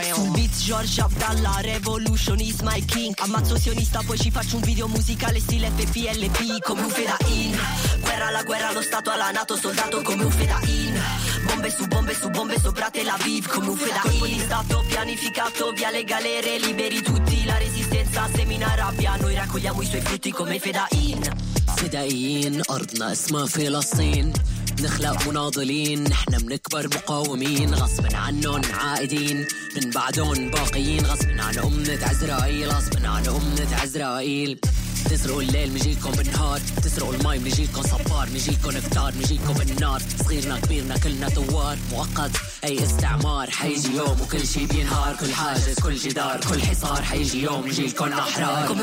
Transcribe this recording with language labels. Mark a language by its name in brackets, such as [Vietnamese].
[Italian] Sul beat George Abdallah, [English] revolution is my king. [Italian] Ammazzo sionista, poi ci faccio un video musicale stile FPLP come un fedain. Guerra alla guerra, lo stato alla NATO, soldato come un fedain. Bombe su bombe sopra Tel Aviv come un fedain. Colpo di stato pianificato via le galere, liberi tutti, la resistenza semina rabbia, noi raccogliamo i suoi frutti come fedain. [Arabic] Fedain, ardna isma filastin. نخلق مناضلين نحنا منكبر مقاومين غصب عنهم عائدين من بعدهم باقيين غصب عن أمنة عزرائيل غصب عن أمنة عزرائيل تسرقوا الليل مجيكم بالنهار تسرقوا المي مجيكم صبار مجيكم افتار مجيكم بالنار صغيرنا كبيرنا كلنا توار مؤقت أي استعمار حيجي يوم وكل شي بينهار كل حاجز كل جدار كل حصار حيجي يوم مجيكم أحرار